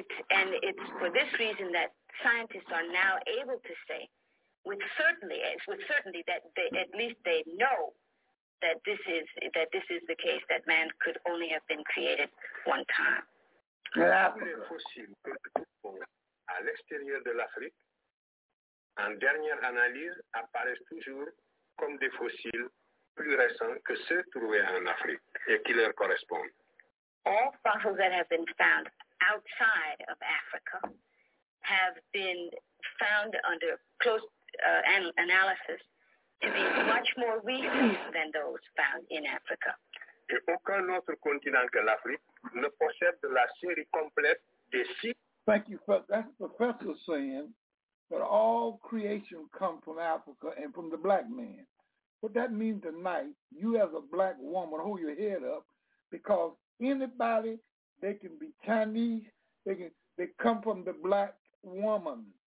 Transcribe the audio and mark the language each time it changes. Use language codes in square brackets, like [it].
[en] And it's for this reason that scientists are now able to say with certainty that they, at least they know that this is the case, that man could only have been created one time. [fr] Les fossiles que nous trouvons à l'extérieur de l'Afrique, en dernière analyse, apparaissent toujours comme des fossiles plus récents que ceux trouvés en Afrique et qui leur correspondent. [en] All fossils that have been found outside of Africa have been found under close analysis to be much more recent than those found in Africa. [fr] Et aucun autre continent que l'Afrique ne possède la série complète des six. [en] Thank you, that's the professor saying that all creation comes from Africa and from the black man. What that means tonight, you as a black woman, hold your head up, because anybody, they can be Chinese, they come from the black woman.